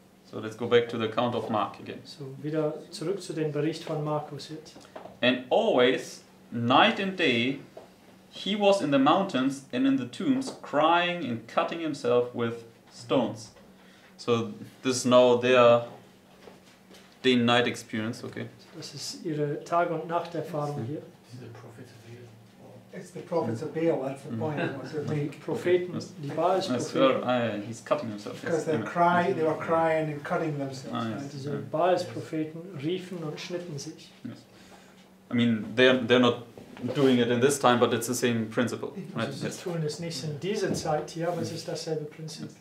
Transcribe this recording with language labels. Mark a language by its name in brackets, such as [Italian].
[English] So let's go back to the account of Mark again. [German] So wieder zurück zu dem Bericht von Markus jetzt. [English] And always, night and day, he was in the mountains and in the tombs, crying and cutting himself with stones. So this is now their day and night experience, okay? [German] Das ist ihre Tag- und Nachterfahrung hier. [English] It's the prophets of Baal, that's the point. Mm-hmm. The [German] Propheten, die Baal's Propheten. [English] He's cutting himself. Because they cry, they were crying and cutting themselves. Ah, yes. [German] Diese Baal's Propheten riefen und schnitten sich. [English] Yes. I mean, they're not doing it in this time, but it's the same principle. [German] Sie [English] right? [German] tun es nicht in dieser Zeit hier, aber es ist dasselbe Prinzip.